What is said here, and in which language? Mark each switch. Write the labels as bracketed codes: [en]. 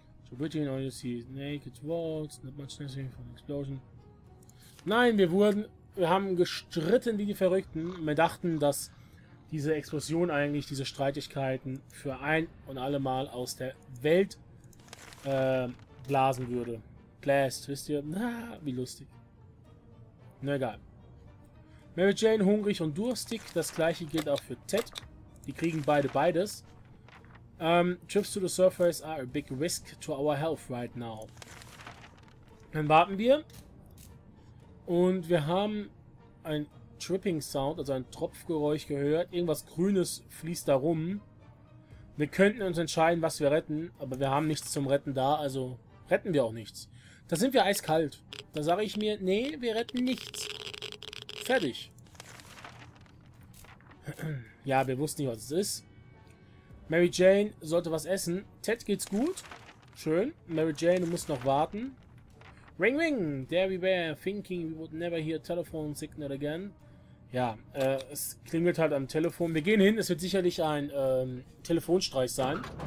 [de] So bitte, [en] you know, see naked walls, not much necessary for an explosion. [de] Nein, wir haben gestritten wie die Verrückten. Wir dachten, dass diese Explosion eigentlich, diese Streitigkeiten für ein und alle Mal aus der Welt blasen würde. Blast, wisst ihr? Na, wie lustig. Na egal. Mary Jane hungrig und durstig. Das gleiche gilt auch für Ted. Die kriegen beides. [en] Trips to the surface are a big risk to our health right now. [de] Dann warten wir. Und wir haben ein Tripping Sound, also ein Tropfgeräusch gehört. Irgendwas Grünes fließt da rum. Wir könnten uns entscheiden, was wir retten, aber wir haben nichts zum Retten da, also retten wir auch nichts. Da sind wir eiskalt. Da sage ich mir, nee, wir retten nichts. Fertig. Ja, wir wussten nicht, was es ist. Mary Jane sollte was essen. Ted geht's gut. Schön. Mary Jane muss noch warten. Ring, ring. [en] There we were thinking we would never hear a telephone signal again. [de] Ja, es klingelt halt am Telefon. Wir gehen hin, es wird sicherlich ein Telefonstreich sein.